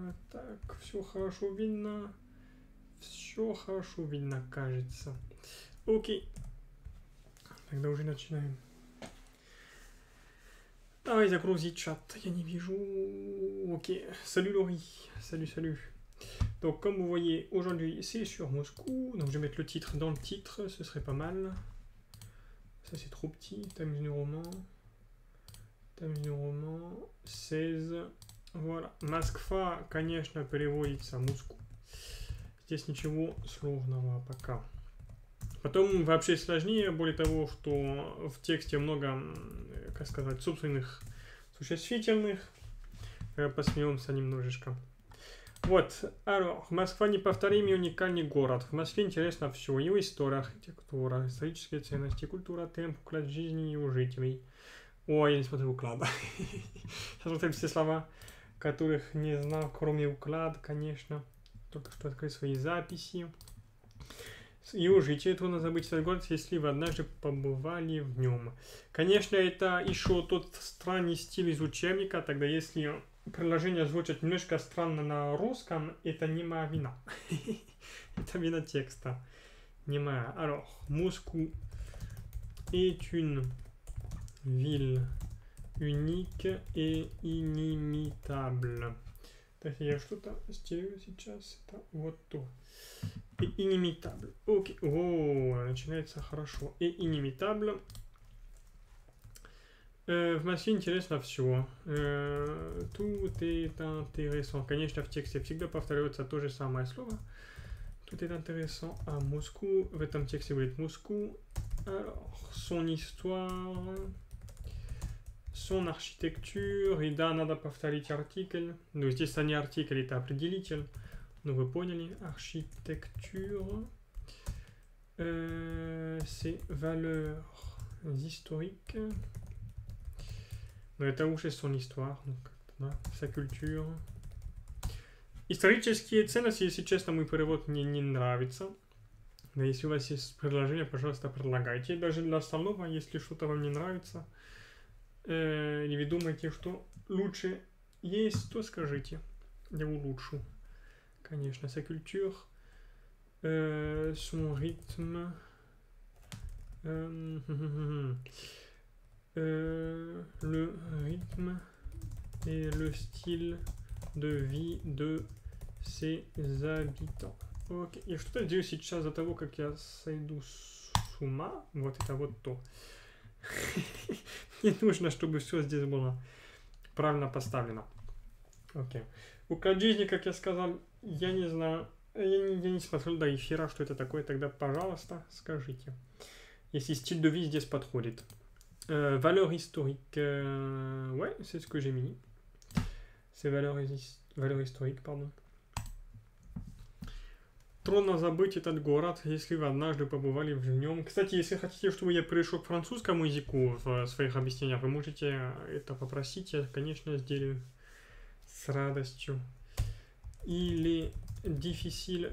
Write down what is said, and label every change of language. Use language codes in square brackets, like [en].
[ru] Так, все хорошо видно. Все хорошо видно, кажется. Окей. Тогда уже начинаем. Давай загрузить чат, я не вижу. Окей. Салют, Лори. Салют, салют. [fr] Donc, comme vous voyez, aujourd'hui, c'est sur Moscou. Donc, je vais mettre le titre dans le titre, ce serait pas mal. Ça, c'est trop petit. Times New Roman. Times New Roman. 16. Voilà. [ru] Moskva, конечно, переводится Moscou. Здесь ничего сложного пока. Потом вообще сложнее, более того, что в тексте много, как сказать, собственных существительных. Посмеемся немножечко. Вот. Москва неповторимый и уникальный город. В Москве интересно все. Его история, архитектура, исторические ценности, культура, темп, уклад жизни и у жителей. Ой, я не смотрю уклад. Сейчас смотрю все слова, которых не знал, кроме уклад, конечно. Только что открыл свои записи. И у жителей трудно забыть этот город, если вы однажды побывали в нем. Конечно, это еще тот странный стиль из учебника, тогда если предложение звучит немножко странно на русском, это не моя вина. Это вина текста. Не моя. [fr] Alors, Moscou est une ville unique et inimitable. [ru] Так, я что-то стерю сейчас. Это вот то. И inimitable. Окей. Okay. О, начинается хорошо. И inimitable. В Москве интересно все. Тут это интересно. Конечно, в тексте всегда повторяется то же самое слово. Тут это интересно. А Москву. В этом тексте будет Москву. [fr] Son histoire. Son architecture. [ru] И да, надо повторить артикль. Ну, здесь это не артикль, это определитель. Ну, вы поняли. Architecture. [fr] Ses valeurs historiques. [ru] Ну, это уже [fr] son histoire. Donc, да, sa culture. [ru] Исторические ценности, если честно, мой перевод мне не нравится. Но если у вас есть предложение, пожалуйста, предлагайте. Даже для остального, если что-то вам не нравится, или вы думаете, что лучше есть, то скажите. Я улучшу. Конечно, [fr] sa culture, son rythme, le rythme et le style de vie de ses habitants. [ru] Ok, и что-то делаю сейчас до того, как я сойду с ума. Вот это вот то. Не нужно, чтобы все здесь было правильно поставлено. Окей. Уклад жизни, как я сказал, я не знаю, я не смотрю до эфира, что это такое, тогда, пожалуйста, скажите, если стиль [fr] de vie [ru] здесь подходит. [fr] Valeur historique, ouais, c'est ce que j'ai mis. C'est valeur historique, pardon. [ru] Трудно забыть этот город, если вы однажды побывали в нем. Кстати, если хотите, чтобы я перешел к французскому языку в своих объяснениях, вы можете это попросить, я, конечно, сделаю. С радостью. Или [fr] difficile.